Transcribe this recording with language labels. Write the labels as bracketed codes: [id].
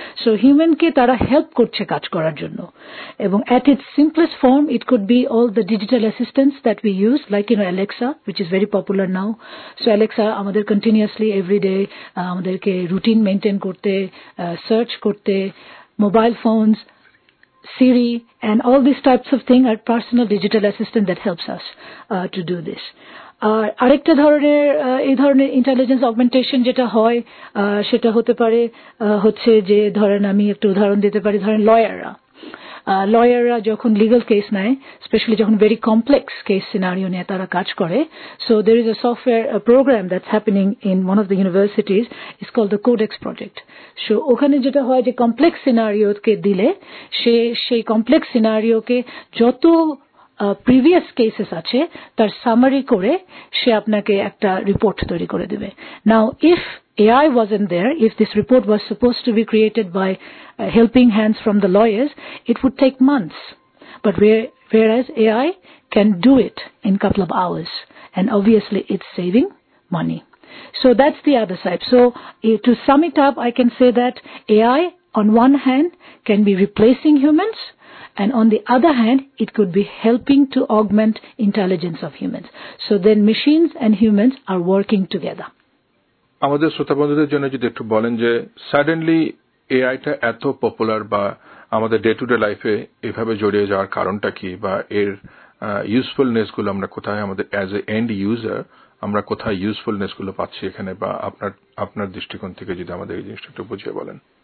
[en] So human [bn] ke tara help korche kaj korar jonno, ebong [en] at its simplest form it could be all the digital assistants that we use, like, you know, Alexa, which is very popular now. So Alexa amader continuously every day [bn] amaderke routine maintain korte, search korte, [en] mobile phones, Siri, and all these types of thing are personal digital assistant that helps us to do this. [bn] আরেকটা ধরনের, এই ধরনের intelligence augmentation যেটা হয়, সেটা হতে পারে হচ্ছে যে, ধরেন আমি একটু উদাহরণ দিতে পারি, ধরেন লয়াররা, লয়াররা যখন লিগাল কেস নেয়, স্পেশালি যখন ভেরি কমপ্লেক্স কেস সিনারিও নিয়ে তারা কাজ করে, [en] So there is a software program that's happening in one of the universities, it's called the codex project. [bn] So ওখানে যেটা হয় যে কমপ্লেক্স সিনারিওকে দিলে সেই কমপ্লেক্স সিনারিওকে যত প্রিভিয়াস কেসেস আছে তার সামারি করে সে আপনাকে একটা রিপোর্ট তৈরি করে দেবে। [en] Now if AI wasn't there, if this report was supposed to be created by helping hands from the lawyers, it would take months. But whereas AI can do it in a couple of hours, and obviously it's saving money. So that's the other side. So to sum it up, I can say that AI on one hand can be replacing humans, and on the other hand it could be helping to augment intelligence of humans. So then machines and humans are working together. [bn] আমাদের শ্রোতা বন্ধুদের জন্য যদি একটু বলেন যে suddenly এআইটা এত popular বা আমাদের ডে টু ডে লাইফে এভাবে জড়িয়ে যাওয়ার কারণটা কি, বা এর ইউজফুলনেসগুলো আমরা কোথায়, আমাদের অ্যাজ এ এন্ড ইউজার আমরা কোথায় ইউজফুলনেসগুলো পাচ্ছি এখানে, বা আপনার দৃষ্টিকোণ থেকে যদি আমাদের এই জিনিসটা একটু বুঝিয়ে বলেন।